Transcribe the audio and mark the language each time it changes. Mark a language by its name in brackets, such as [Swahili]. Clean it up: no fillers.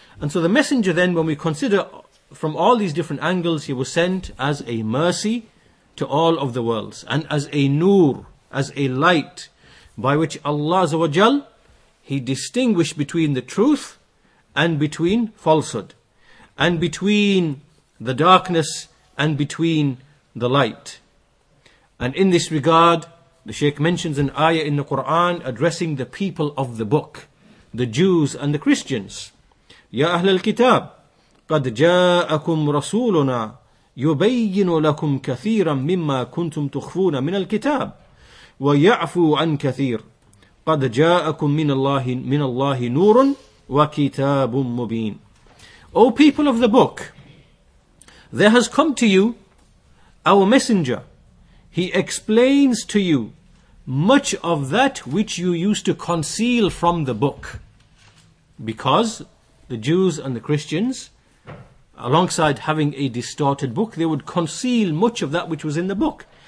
[English] And so the messenger then, when we consider from all these different angles, he was sent as a mercy to all of the worlds, and as a nur, as a light, by which Allah Azza wa Jal, he distinguished between the truth and between falsehood, and between the darkness and between the light. And in this regard, the Shaykh mentions an ayah in the Quran addressing the people of the book, the Jews and the Christians. [Arabic] Ya Ahlul Kitab, قد جاءكم رسولنا يبين لكم كثيرا مما كنتم تخفون من الكتاب ويعفو عن كثير قد جاءكم من الله نور وكتاب مبين. [English] O people of the book, there has come to you our messenger. He explains to you much of that which you used to conceal from the book. Because the Jews and the Christians, alongside having a distorted book, they would conceal much of that which was in the book.